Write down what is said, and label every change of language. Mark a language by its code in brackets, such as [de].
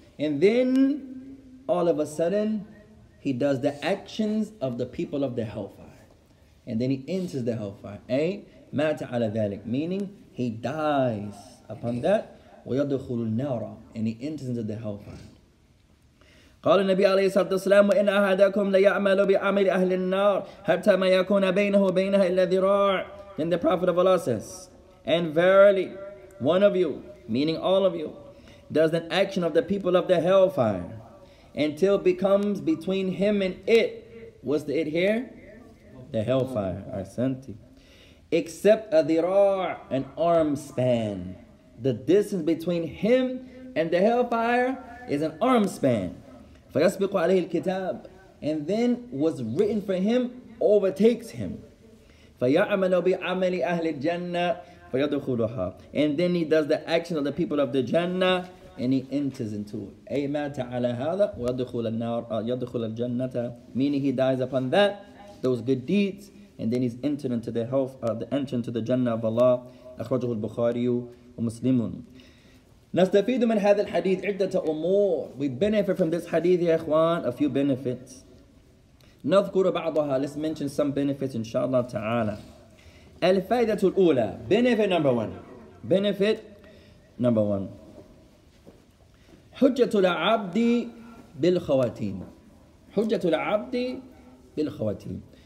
[en] And then all of a sudden, he does the actions of the people of the hellfire. And then he enters the hellfire. Eh? [ar] مات على ذلك. [en] Meaning, he dies upon that. [ar] ويدخل النار. [en] And he enters into the hellfire. [ar] قال النبي عليه الصلاة والسلام وإن أحدكم ليعمل بعمل أهل النار حتى ما يكون بينه وبينها إلا ذراع. [en] Then the Prophet of Allah says, and verily, one of you, meaning all of you, does an action of the people of the hellfire until becomes between him and it What's the it here? The hellfire. Arsanti. Except a dhira', an arm span. The distance between him and the hellfire is an arm span. [ar] فَيَسْبِقُ عَلَيْهِ الْكِتَابِ. [en] And then what's written for him overtakes him. [ar] فَيَعْمَلُ بِعَمَلِ أَهْلِ الْجَنَّةِ فَيَدْخُلُهَا. [en] And then he does the action of the people of the Jannah and he enters into it. [ar] أَيْمَاتَ عَلَى هَذَا وَيَدْخُلَ النَّارَ يَدْخُلَ الْجَنَّةَ. [en] Meaning he dies upon that, those good deeds, and then he's entered into the health, the entrance to the Jannah of Allah. [ar] أَخْرَجُهُ الْبُخَارِيُ وَمُسْلِمٌ. نستفيد من هذا الحديث عدة أمور. [en] We benefit from this hadith, [ar] يا إخوان, [en] a few benefits. [ar] نذكر بعضها. [en] Let's mention some benefits, inshallah ta'ala. [ar] الفائدة الأولى. [en] Benefit number one. Benefit number one. [ar] حجة العبد بالخواتيم. حجة العبد بالخواتيم.